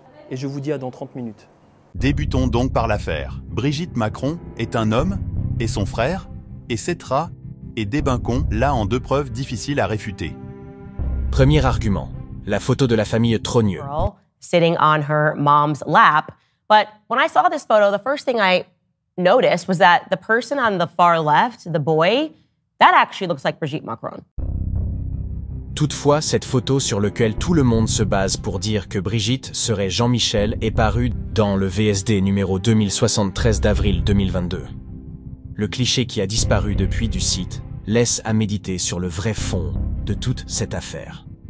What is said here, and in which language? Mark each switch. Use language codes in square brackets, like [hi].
[fr] Et je vous dis à dans 30 minutes. Débutons donc par l'affaire. Brigitte Macron est un homme, et son frère, et cette rat, et Débincon, là en deux preuves difficiles à réfuter. Premier argument, la photo de la famille Trogneux. [en] Sitting on her mom's lap. But when I saw this photo, the first thing I noticed was that the person on the far left, the boy, that actually looks like Brigitte Macron. [fr] Toutefois, cette photo sur laquelle tout le monde se base pour dire que Brigitte serait Jean-Michel est parue dans le VSD numéro 2073 d'avril 2022. Le cliché qui a disparu depuis du site laisse à méditer sur le vrai fond de toute cette affaire.